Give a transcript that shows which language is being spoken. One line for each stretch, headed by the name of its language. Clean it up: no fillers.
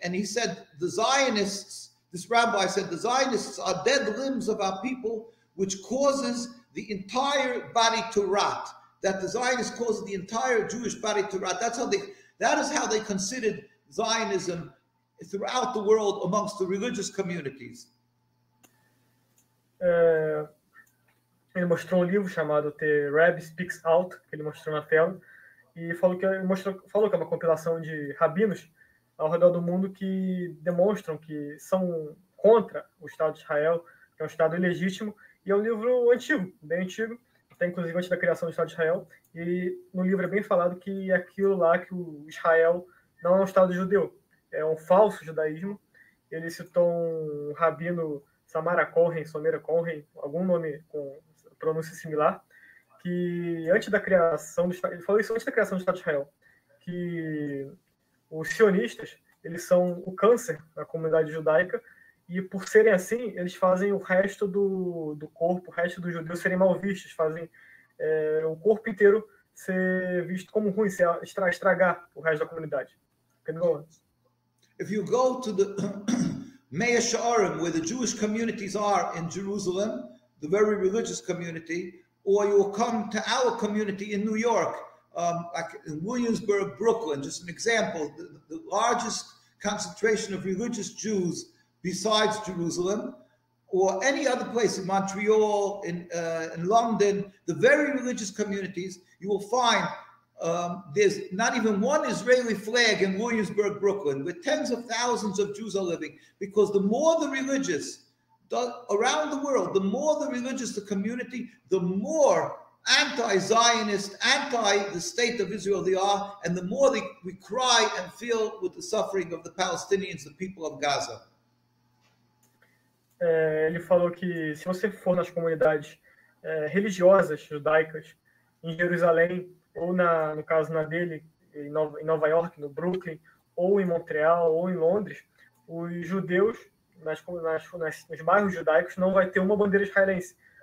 English: And he said, the Zionists are dead limbs of our people, which causes the entire body to rot. That the Zionists caused the entire Jewish body to rot. That is how they considered Zionism throughout the world amongst the religious communities.
Portuguese: Ele mostrou um livro chamado The Rabbi Speaks Out, que ele mostrou na tela, e falou que é uma compilação de rabinos ao redor do mundo que demonstram que são contra o Estado de Israel, que é um Estado ilegítimo, e é um livro antigo, bem antigo, até inclusive antes da criação do Estado de Israel. E no livro é bem falado que aquilo lá, que o Israel não é um Estado judeu, é um falso judaísmo. Ele citou um rabino, Samira Cohen, algum nome com pronúncia similar, que antes da criação do Estado, ele falou isso antes da criação do Estado de Israel, que os sionistas, eles são o câncer da comunidade judaica, e por serem assim, eles fazem o resto do corpo, o resto dos judeus serem mal vistos, fazem o corpo inteiro ser visto como ruim, ser estragar o resto da comunidade.
English: Can go on. If you go to the Mea Shearim, where the Jewish communities are in Jerusalem, the very religious community, or you will come to our community in New York, like in Williamsburg, Brooklyn, just an example, the largest concentration of religious Jews besides Jerusalem, or any other place in Montreal, in London, the very religious communities, you will find there's not even one Israeli flag in Williamsburg, Brooklyn, where tens of thousands of Jews are living, because the more the religious, around the world, the more the religious the community, the more anti-Zionist, anti the state of Israel they are, and the more we cry and feel with the suffering of the Palestinians, the people of Gaza.
Portuguese: Ele falou que se você for nas comunidades religiosas judaicas em Jerusalém ou no caso dele, em Nova York, no Brooklyn ou em Montreal ou em Londres, os judeus nos bairros judaicos não vai ter uma bandeira israelense.